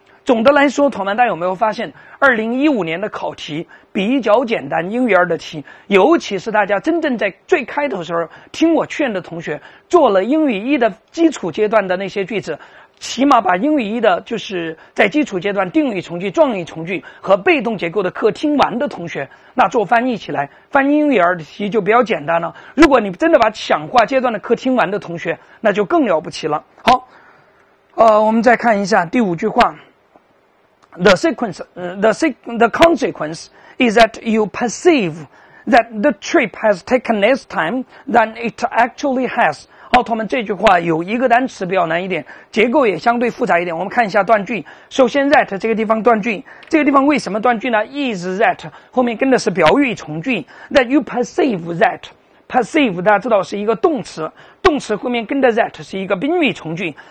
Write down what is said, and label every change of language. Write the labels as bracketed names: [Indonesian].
[Chinese] 总的来说，同伴大家有没有发现2015年的考题比较简单，英语二的题，尤其是大家真正在最开头时候听我劝的同学做了英语一的基础阶段的那些句子，起码把英语一的就是在基础阶段定语从句、状语从句和被动结构的课听完的同学，那做翻译起来翻译英语二的题就比较简单了。如果你真的把强化阶段的课听完的同学，那就更了不起了。好，我们再看一下第五句话。 [English] The consequence is that you perceive that the trip has taken less time than it actually has. [Chinese] 奥特曼这句话有一个单词比较难一点，结构也相对复杂一点。我们看一下断句。首先 that 这个地方断句，这个地方为什么断句呢？ [English] is that [Chinese] 后面跟的是表语从句。 [English] that you perceive that， [Chinese] perceive 大家知道是一个动词，动词后面跟的 that 是一个宾语从句。